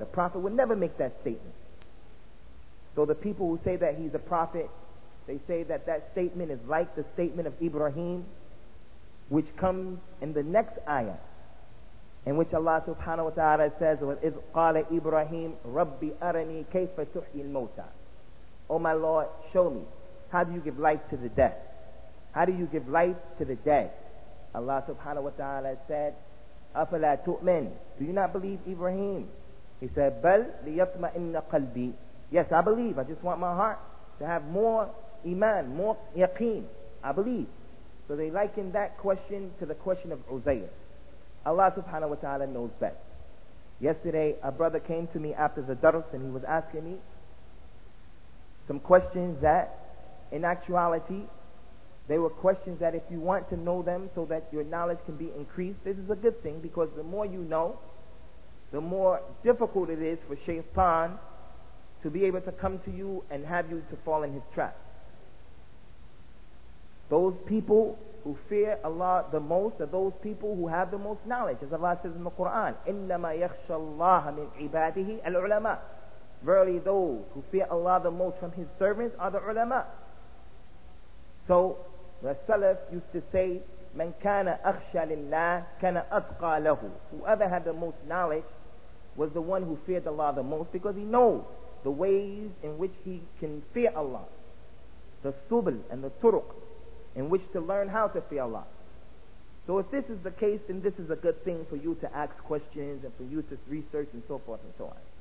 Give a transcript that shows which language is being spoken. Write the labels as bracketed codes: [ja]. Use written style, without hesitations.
[en] A prophet would never make that statement. So the people who say that he's a prophet, they say that that statement is like the statement of Ibrahim, which comes in the next ayah, in which Allah subhanahu wa ta'ala says, [ar] وَإِذْ قَالَ إِبْرَاهِيمُ رَبِّ أَرَنِي كَيْفَ تُحْيِي الْمَوْتَى. [en] Oh my Lord, show me, how do you give life to the dead? How do you give life to the dead? Allah subhanahu wa ta'ala said, [ar] أَفَلَا تُؤْمِنُ. [en] Do you not believe, Ibrahim? He said, [ar] بَلْ لِيَطْمَئِنَّ قَلْبِي. [en] Yes, I believe, I just want my heart to have more iman, more yaqeen. I believe. So they liken that question to the question of Uzair. Allah subhanahu wa ta'ala knows best. Yesterday, a brother came to me after the dars and he was asking me some questions that, in actuality, they were questions that if you want to know them so that your knowledge can be increased, this is a good thing, because the more you know, the more difficult it is for shaytan to be able to come to you and have you to fall in his trap. Those people who fear Allah the most are those people who have the most knowledge. As Allah says in the Quran, [ar] إِنَّمَا يَخْشَى اللَّهَ مِنْ عِبَادِهِ الْعُلَمَاء. [en] Verily those who fear Allah the most from His servants are the ulama. So the Salaf used to say, [ar] مَنْ كَانَ أَخْشَى لِلَّهِ كَانَ أَتْقَى لَهُ. [en] Whoever had the most knowledge was the one who feared Allah the most, because he knows the ways in which he can fear Allah, the subl and the turuq, in which to learn how to fear Allah. So if this is the case, then this is a good thing for you to ask questions and for you to research and so forth and so on.